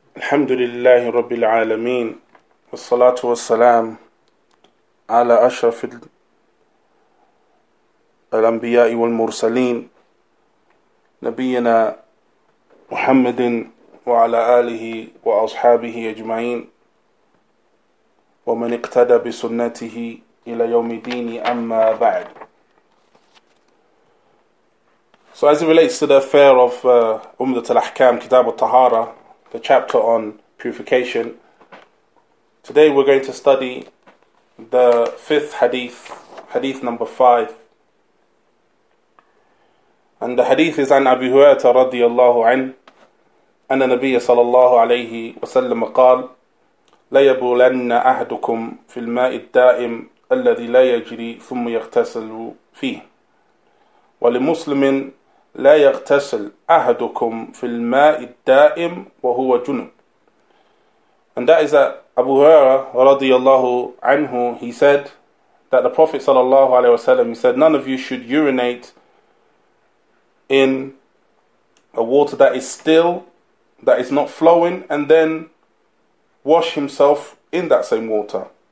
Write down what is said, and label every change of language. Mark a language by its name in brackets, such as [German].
[Arabic] الحمد لله رب العالمين والصلاة والسلام على أشرف الأنبياء والمرسلين نبينا محمد وعلى آله وأصحابه أجمعين ومن اقتدى بسنته إلى يوم الدين أما بعد. [English] So as it relates to the affair of Umdة الأحكام كتاب الطهارة, the chapter on purification, today we're going to study the fifth hadith, hadith number 5. And the hadith is [Arabic] عن أبي هريرة رضي الله عنه أن النبي صلى الله عليه وسلم قال لا يبولن أحدكم في الماء الدائم الذي لا يجري ثم يغتسل فيه ولمسلم لا يغتسل أحدكم في الماء الدائم وهو جنب. [English] And that is that Abu Huraira radiyallahu anhu, he said that the Prophet sallallahu alayhi wa sallam, he said, none of you should urinate in a water that is still, that is not flowing, and then wash himself in that same water.